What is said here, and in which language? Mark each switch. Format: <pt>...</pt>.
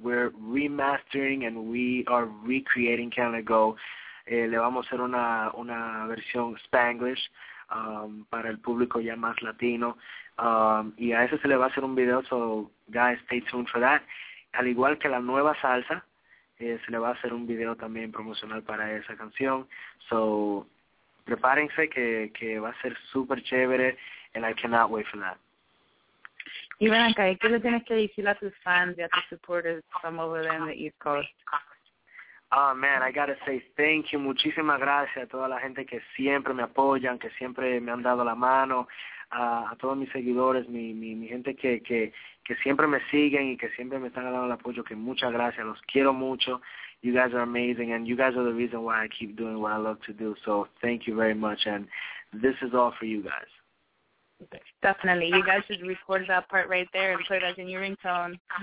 <en>We're remastering and we are recreating Can't Let Go.</en> <es>Le vamos a hacer una versión Spanglish para el público ya más latino. Y a ese se le va a hacer un video,</es> <en>so guys, stay tuned for that.</en> <es>Al igual que la nueva salsa, se le va a hacer un video también promocional para esa canción. So prepárense que va a ser super chévere,</es> <en>and I cannot wait for that.</en> <es>Y ven acá, ¿qué le tienes que decir a tus fans y a tus</es> <en>supporters from over there in the East Coast? Oh, man, I gotta say thank you.</en> <es>Muchísimas gracias a toda la gente que siempre me apoyan, que siempre me han dado la mano, a todos mis seguidores, mi gente que siempre me siguen y que siempre me están dando el apoyo, que muchas gracias. Los quiero mucho.</es> <en>You guys are amazing, and you guys are the reason why I keep doing what I love to do. So thank you very much, and this is all for you guys. Definitely. You guys should record that part right there and put it as in your ringtone.</en>